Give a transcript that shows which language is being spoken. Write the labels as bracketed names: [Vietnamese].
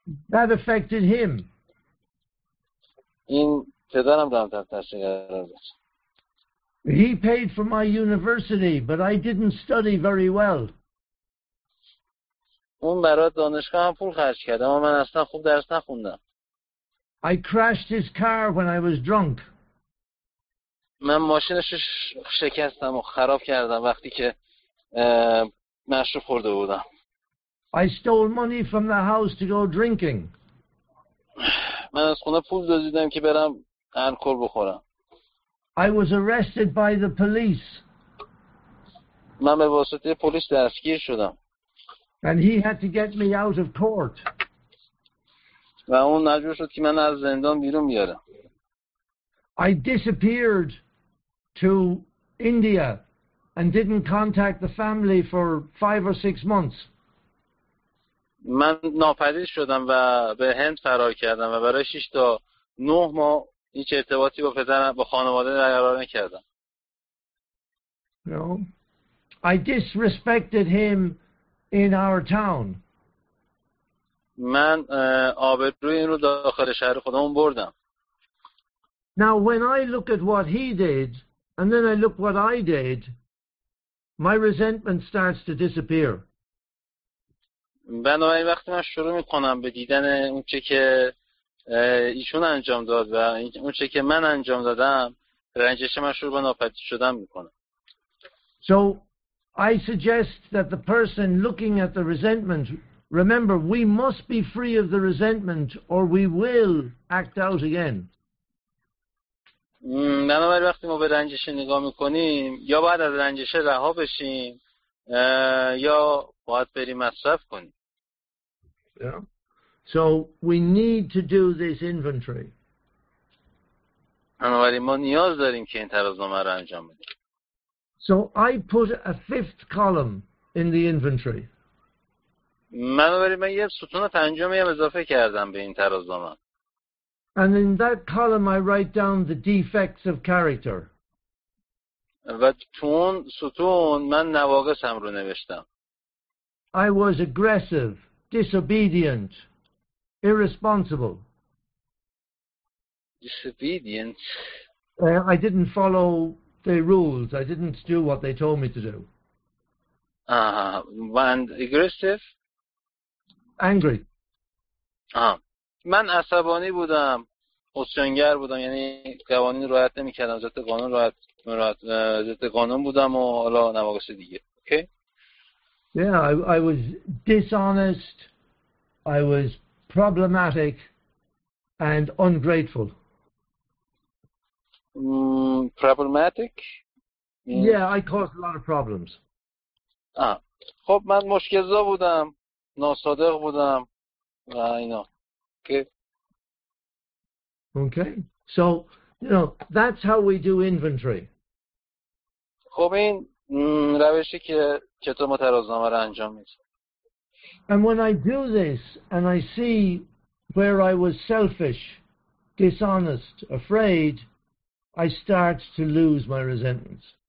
[English] That affected him. [Persian] این پدرم رو هم تاثیر قرار داد. [English] He paid for my university, but I didn't study very well. [Persian] اون برای دانشگاه هم پول خرج کرد، اما من اصلا خوب درس نخوندم. [English] I crashed his car when I was drunk. [Persian] من ماشینش رو شکستم و خراب کردم وقتی که مشروب خورده بودم. [English] I stole money from the house to go drinking. [Persian] من از خونه پول دزدیدم که برم الکل بخورم. [English] I was arrested by the police. [Persian] من به واسطه پلیس دستگیر شدم. [English] And he had to get me out of court. [Persian] و اون مجبور شد که من از زندان بیرون بیارم. [English] I disappeared to India and didn't contact the family for 5 or 6 months. [Persian] من ناپدید شدم و به هند فرار کردم و برای 6 تا 9 ماه هیچ ارتباطی با پدرم با خانواده برقرار نکردم. [English] No. I disrespected him in our town. [Persian] من آبروی این رو داخل شهر خودمون بردم. [English] Now when I look at what he did and then I look what I did, my resentment starts to disappear. [Persian] بنابراین وقتی من شروع میکنم به دیدن اون چه که ایشون انجام داد و اون چه که من انجام دادم، رنجش من شروع به ناپدید شدن میکنه. [English] So I suggest that the person looking at the resentment, remember, we must be free of the resentment or we will act out again. [Persian] بنابراین وقتی ما به رنجش نگاه میکنیم یا باید از رنجش رها بشیم یا باید بریم مصرف کنیم. [English] So we need to do this inventory. [Persian] بنابراین ما نیاز داریم که این ترازنامه رو انجام بدیم. [English] So I put a fifth column in the inventory. [Persian] من یه ستون پنجمی هم اضافه کردم به این ترازنامه. [English] And in that column I write down the defects of character. [Persian] و تو اون ستون من نواقصم رو نوشتم. [English] I was aggressive, disobedient, irresponsible. Disobedient. I didn't follow the rules. I didn't do what they told me to do. And aggressive? Angry. [Persian] من عصبانی بودم. اصیانگر بودم. یعنی قوانین رعایت نمی کردم. ضد قانون بودم و حالا نواقص دیگه. [English] Okay? Yeah, I was dishonest, I was problematic, and ungrateful. Problematic? Yeah, I caused a lot of problems. [Persian] خب من مشکل‌زا بودم, ناصادق بودم, و اینا. [English] Okay. So, you know, that's how we do inventory. [Persian] خب این روشی که چطور ما ترازنامه رو انجام میدیم. [English] And when I do this and I see where I was selfish, dishonest, afraid, I start to lose my resentment.